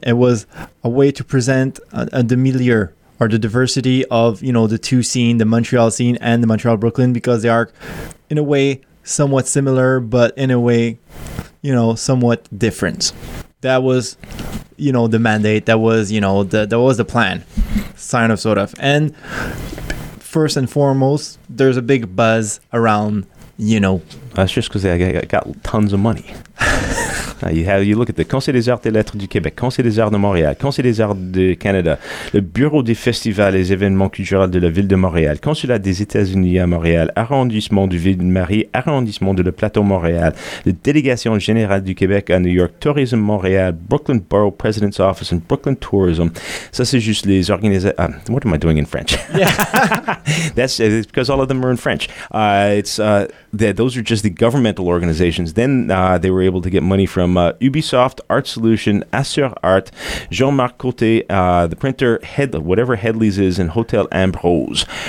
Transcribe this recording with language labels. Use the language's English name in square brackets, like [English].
[English] It was a way to present the milieu. Or the diversity of, you know, the two scene, the Montreal scene and the Montreal Brooklyn, because they are in a way somewhat similar, but in a way, you know, somewhat different. That was, you know, the mandate. That was, you know, that was the plan, sort of. And first and foremost, there's a big buzz around, you know. That's just because they got tons of money. You look at the Conseil des Arts et Lettres du Québec, Conseil des Arts de Montréal, Conseil des Arts du Canada, le Bureau des Festivals et des Événements Culturels de la Ville de Montréal, Consulat des États-Unis à Montréal, Arrondissement du Ville-Marie, Arrondissement de le Plateau Montréal, la Délégation Générale du Québec à New York, Tourism Montréal, Brooklyn Borough President's Office and Brooklyn Tourism. [French] Ça, c'est juste les organisations. [English] What am I doing in French? Yeah. That's because all of them are in French. Those are just the governmental organizations. Then they were able to get money from Ubisoft, Art Solution, Assure Art, Jean-Marc Côté, the printer, whatever Headley's is, and Hotel Ambrose.